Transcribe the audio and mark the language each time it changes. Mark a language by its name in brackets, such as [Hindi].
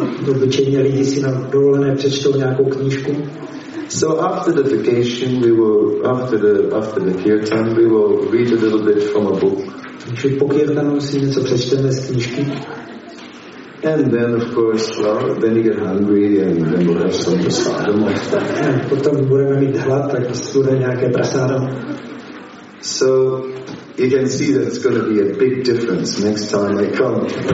[Czech] Obyčejně lidi si na dovolené přečtou nějakou knížku. [English] So after the vacation we will after the kirtan we will read a little bit from a book. [Czech] Takže po kirtanu si něco přečteme z knížky. [English] And then of course, then you get hungry and then we'll have some prasadam. [Czech] Potom budeme mít hlad, tak bude nějaké prasadam. [English] So you can see that it's going to be a big difference next time I come.